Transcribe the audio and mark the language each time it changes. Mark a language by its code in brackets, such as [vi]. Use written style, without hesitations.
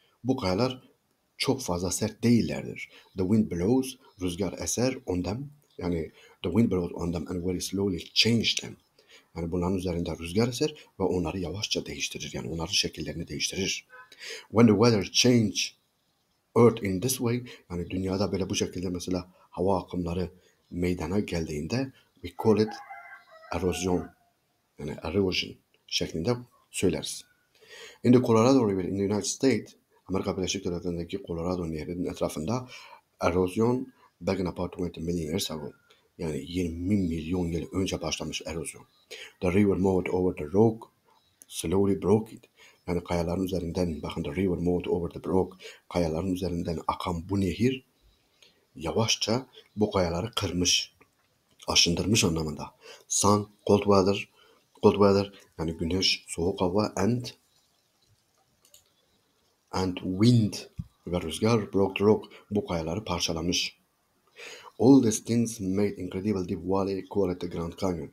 [tr] Bu kayalar çok fazla sert değillerdir. [en] The wind blows, [tr] rüzgar eser [en] on them. [tr] Yani [en] the wind blows on them and very slowly change them. [tr] Yani bunların üzerinde rüzgar eser ve onları yavaşça değiştirir. Yani onların şekillerini değiştirir. [en] When the weather change earth in this way, [tr] yani dünyada böyle bu şekilde mesela hava akımları meydana geldiğinde [en] we call it erosion, [tr] yani erosion şeklinde söyleriz. [en] In the Colorado River in the United States, [tr] Amerika Birleşik Devletleri'ndeki Colorado Nehri'nin etrafında [en] erosion began about 20 million years ago. [tr] Yani 20 milyon yıl önce başlamış erozyon. [en] The river moved over the rock, slowly broke it. [tr] Yani kayaların üzerinden, bakın [en] the river moved over the rock, [tr] kayaların üzerinden akan bu nehir yavaşça bu kayaları kırmış, aşındırmış anlamında. [en] Sun, cold weather, [tr] yani güneş, soğuk hava [en] and wind [tr] ve rüzgar [en] broke the rock, [tr] bu kayaları parçalamış. [en] All these things made incredible deep valley called the Grand Canyon.